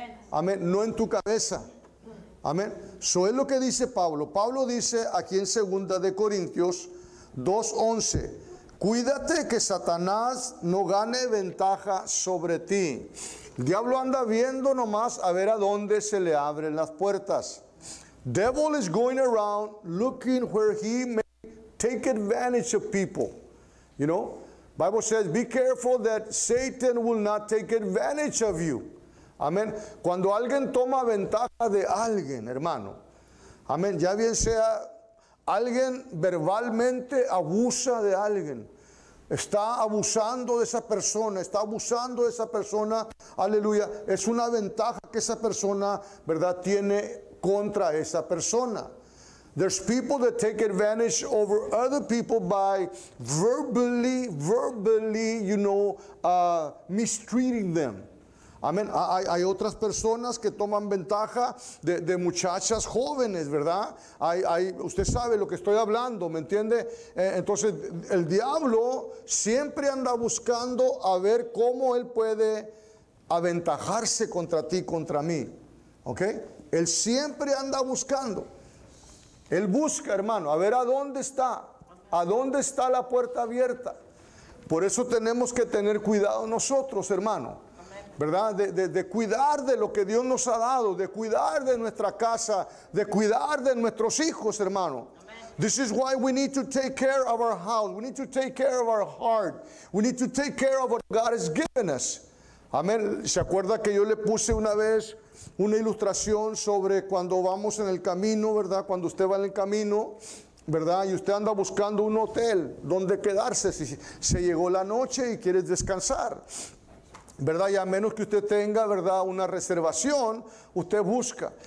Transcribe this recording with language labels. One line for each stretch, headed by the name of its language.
Spanish: Amén. No en tu cabeza. Amén. Eso es lo que dice Pablo. Pablo dice aquí en 2 de Corintios 2:11, cuídate que Satanás no gane ventaja sobre ti. El diablo anda viendo nomás a ver a dónde se le abren las puertas.
English: Devil is going around looking where he may take advantage of people. You know? Bible says, be careful that Satan will not take advantage of you.
Spanish: Amén. Cuando alguien toma ventaja de alguien, hermano. Amén. Ya bien sea alguien verbalmente abusa de alguien. Está abusando de esa persona. Está abusando de esa persona. Aleluya. Es una ventaja que esa persona, ¿verdad?, tiene contra esa persona.
English: There's people that take advantage over other people by verbally, you know, mistreating them.
Spanish: Amén. Hay otras personas que toman ventaja de muchachas jóvenes, ¿verdad? Usted sabe lo que estoy hablando, ¿me entiende? Entonces, el diablo siempre anda buscando a ver cómo él puede aventajarse contra ti, contra mí. ¿Ok? Él siempre anda buscando. Él busca, hermano, a ver a dónde está la puerta abierta. Por eso tenemos que tener cuidado nosotros, hermano. ¿verdad? De cuidar de lo que Dios nos ha dado, de cuidar de nuestra casa, de cuidar de nuestros hijos, hermano.
English: This is why we need to take care of our house. We need to take care of our heart. We need to take care of what God has given us. Amén.
Spanish: ¿Se acuerda que yo le puse una vez una ilustración sobre cuando vamos en el camino, ¿verdad? Cuando usted va en el camino, ¿verdad? Y usted anda buscando un hotel donde quedarse si se llegó la noche y quieres descansar, ¿verdad? Y a menos que usted tenga, ¿verdad?, una reservación, usted busca.